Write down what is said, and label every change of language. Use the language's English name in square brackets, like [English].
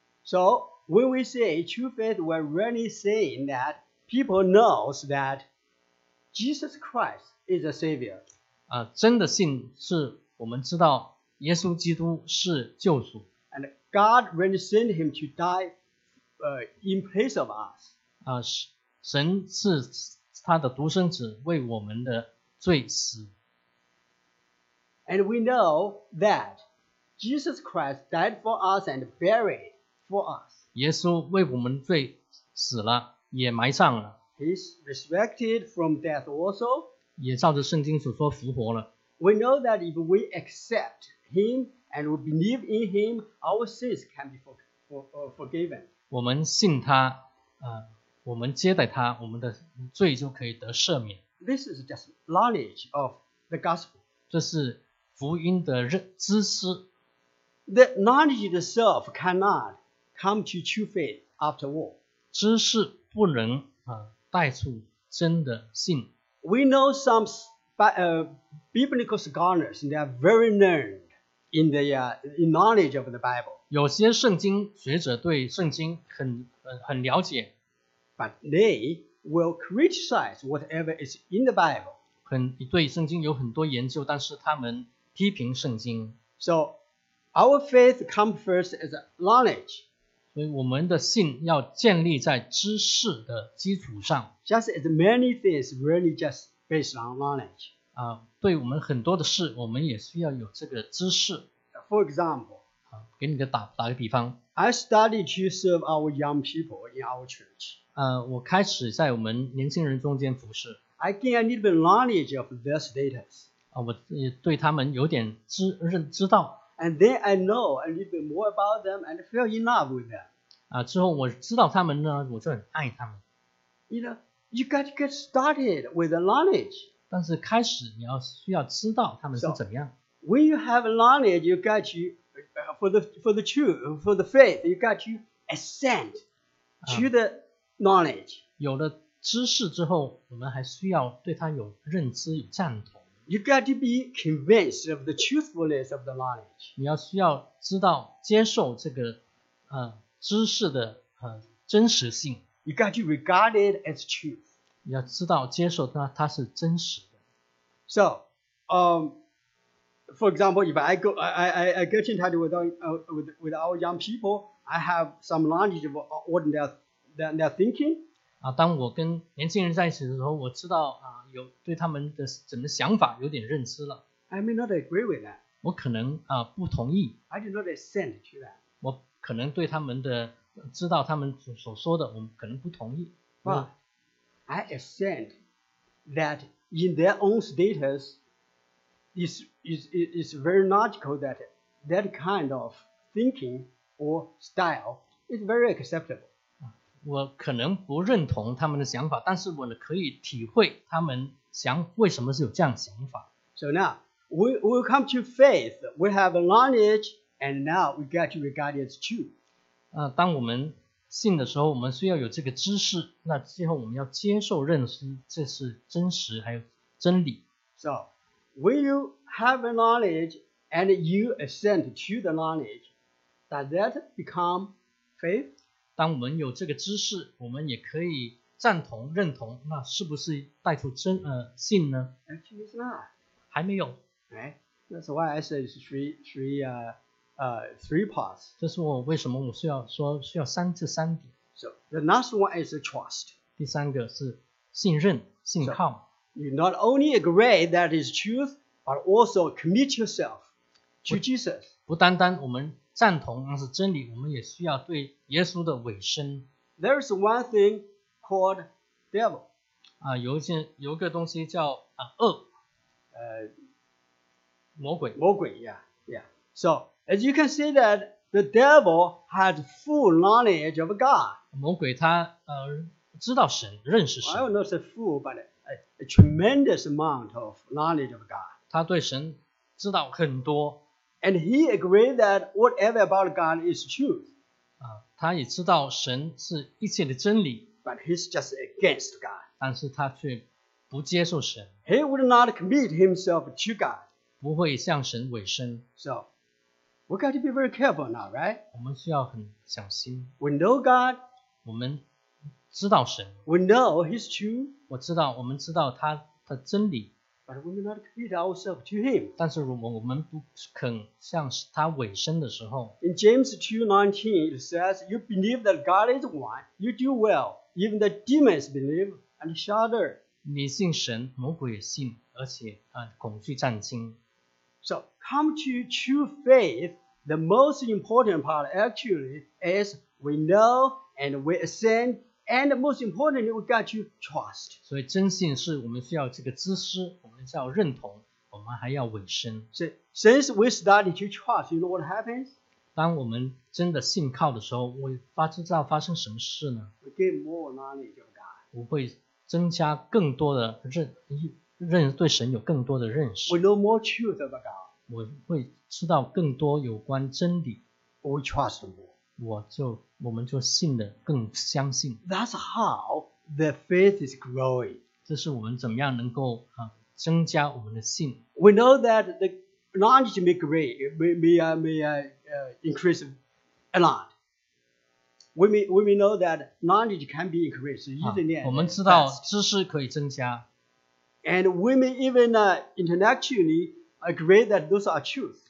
[English] So when we say true faith, we're really saying that people know that Jesus Christ is a savior. [Chinese] 真的信是我们知道耶稣基督是救主。 [English] And God really sent him to die, in place of us. [Chinese] 神是他的独生子为我们的罪死。 [English] And we know that Jesus Christ died for us and buried for us. [Chinese] 耶稣为我们罪死了，也埋葬了。 [English] He's resurrected from death also. [Chinese] 也照着圣经所说复活了。 [English] We know that if we accept him and we believe in him, our sins can be forgiven. [Chinese] 我们信他，我们接待他，我们的罪就可以得赦免。 [English] This is just knowledge of the gospel. [Chinese] 这是福音的知识。 [English] The knowledge itself cannot come to true faith after all. [Chinese] 知识不能带出真的信。 [English] We know some biblical scholars, they are very learned in the in knowledge of the Bible. [Chinese] 有些圣经学者对圣经很了解。 [English] But they will criticize whatever is in the Bible. [Chinese] 对圣经有很多研究，但是他们批评圣经。 [English] So our faith comes first as knowledge. [Chinese] 所以我们的信要建立在知识的基础上。 [English] Just as many things really just based on knowledge. [Chinese] 对我们很多的事，我们也需要有这个知识。 [English] For example, [Chinese] 给你个打个比方。 [English] I started to serve our young people in our church. [Chinese] 我开始在我们年轻人中间服侍。 [English] I gained a little bit of knowledge of their status. [Chinese] 我也对他们有点知道。 [English] And then I know a little bit more about them and fell in love with them. [Chinese] 之后我知道他们呢，我就很爱他们。 [English] You know, you got to get started with the knowledge. [Chinese] 但是开始你要需要知道他们是怎么样。 [English] So, when you have knowledge, you got to for the faith, you got to ascend to the knowledge. [Chinese] 有了知识之后，我们还需要对他有认知、有赞同。 [English] You got to be convinced of the truthfulness of the knowledge. [Chinese] 你要需要知道接受这个知识的真实性。 [English] You got to regard it as truth. [Chinese] 你要知道接受它是真实的。 [English] So, for example, if I go, I get in touch with our young people, I have some knowledge of what they're thinking. [Chinese] 当我跟年轻人在一起的时候，我知道有对他们的怎么想法有点认知了。 [English] I may not agree with that. [Chinese] 我可能不同意。 [English] I do not assent to that. [Chinese] 我可能对他们的知道他们所说的，我可能不同意。 [English] But I assent that in their own status, is very logical that kind of thinking or style is very acceptable. [Chinese] 我可能不认同他们的想法，但是我可以体会他们为什么是有这样想法。 [English] So now, we come to faith, we have knowledge, and now we got to regard it as true. [Chinese] 当我们信的时候，我们需要有这个知识，那最后我们要接受认识，这是真实还有真理。 [English] So, when you have knowledge, and you assent to the knowledge, does that become faith? [Chinese] 当我们有这个知识，我们也可以赞同、认同，那是不是带出真信呢？ [English] Actually, it's not. [Chinese] 还没有。 [English] That's why I said it's three parts. [Chinese] 这是我为什么我需要三点。 [English] So the last one is trust. [Chinese] 第三个是信任、信靠。 [English] So, you not only agree that is truth, but also commit yourself to Jesus. [Chinese] 不单单我们赞同那是真理，我们也需要对耶稣的委身。 [English] There is one thing called devil. [Chinese] 有一个东西叫恶。魔鬼。魔鬼 ,yeah. [English] So, as you can see that the devil has full knowledge of God. [Chinese] 魔鬼他知道神，认识神。 [English] I will not say full, but a tremendous amount of knowledge of God. [Chinese] 他对神知道很多。 [English] And he agreed that whatever about God is truth. [Chinese] 他也知道神是一切的真理。 [English] But he's just against God. [Chinese] 但是他却不接受神。 [English] He would not commit himself to God. [Chinese] 不会向神委身。 [English] So, we got to be very careful now, right? [Chinese] 我们需要很小心。 [English] We know God. [Chinese] 我们知道神。 [English] We know His truth. [Chinese] 我知道，我们知道他的真理。 [English] But we may not commit ourselves to Him. [Chinese] 但是如果我们不肯向他委身的时候。 [English] In James 2:19, it says, "You believe that God is one. You do well. Even the demons believe and shudder." [Chinese] 你信神，魔鬼也信。而且啊，恐惧战惊。 [English] So come to true faith. The most important part, actually, is we know and we ascend, and most importantly, we got to trust. [Chinese] 所以真信是我们需要这个知识，我们需要认同，我们还要委身。 [English] So since we started to trust, you know what happens? [Chinese] 当我们真的信靠的时候，我发知道发生什么事呢 [English] ？We get more knowledge of God. [Chinese] 我会增加更多的认识。对神有更多的认识。 [English] We know more truth about God. [Chinese] 我会知道更多有关真理。 [English] We trust more. [Chinese] 我们就信的更相信。 [English] That's how the faith is growing. [Chinese] 这是我们怎么样能够增加我们的信。 [English] We know that the knowledge may grow, may increase a lot. We may know that knowledge can be increased. [Chinese] 我们知道知识可以增加。 [English] And we may even intellectually agree that those are truth.